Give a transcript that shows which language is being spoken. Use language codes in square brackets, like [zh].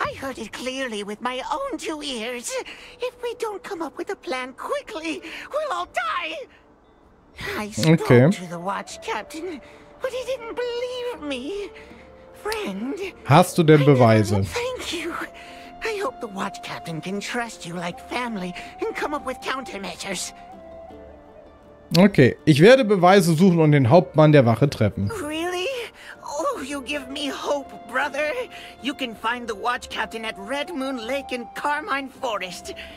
[en] I heard it clearly with my own two ears. If we don't come up with a plan quickly, we'll all die. I spoke to the watch captain, but he didn't believe me. Friend, [de] hast du denn Beweise? [en] Thank you. I hope the watch captain can trust you like family and come up with countermeasures. [de] Okay, ich werde Beweise suchen und den Hauptmann der Wache treffen. [en] Really? Oh, you give me hope, brother. You can find the watch captain at Red Moon Lake in Carmine Forest.